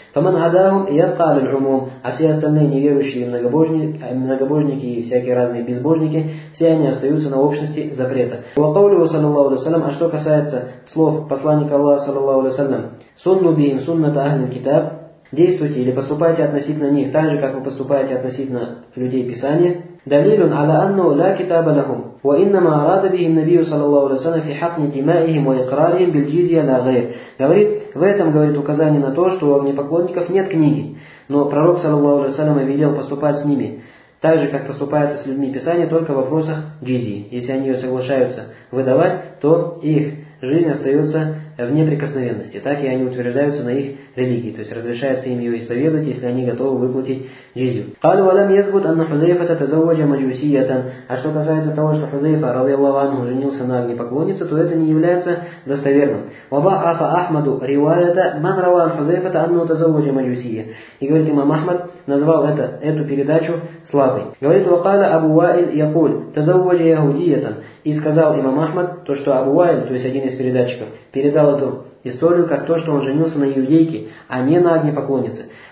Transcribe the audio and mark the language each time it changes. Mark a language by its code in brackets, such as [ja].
[ar] «Фаман адаум ядхаал аль-умум», [ru] а все остальные неверующие многобожники и всякие разные безбожники, все они остаются на общности запрета. [ar] «Уакаулю саллаллаху алейхи ва саллям», [ru] а что касается слов посланника Аллаха саллаллаху алейхи ва саллям, [ar] «Сунну бихим суннат ахлил китаб», [ru] действуйте или поступайте относительно них так же, как вы поступаете относительно людей Писания. [ar] «Далилун аля анну ла китаба лахум». وإنما أراد بهم النبي صلى الله عليه وسلم في حقن دمائهم وإقرارهم بالجزية لا غير. [ru] Говорит, в этом говорит указание на то, что у огнепоклонников нет книги, но пророк صلى الله عليه وسلم велел поступать с ними так же, как поступается с людьми Писания, только в вопросах джизии. Если они ее соглашаются выдавать, то их жизнь остается вне прикосновенности, так и они утверждаются на их религии, то есть разрешается им ее исповедовать, если они готовы выплатить джизью. [ar] قال ولم يثبت أن حذيفة تزوج مجوسية. [ru] А что касается того, что Хузейфа رضي الله عنه женился на огнепоклоннице, то это не является достоверным. [ar] وضعف أحمد رواية من روى عن حذيفة أنه تزوج مجوسية. [ru] И говорит имам Ахмад назвал эту передачу слабой. [ar] Говорит وقال أبو وائل يقول تزوج يهودية. [ru] И сказал имам Ахмад то, что Абу Вайл, то есть один из передатчиков, передал эту историю как то, что он женился на иудейке, а не на огнепоклоннице.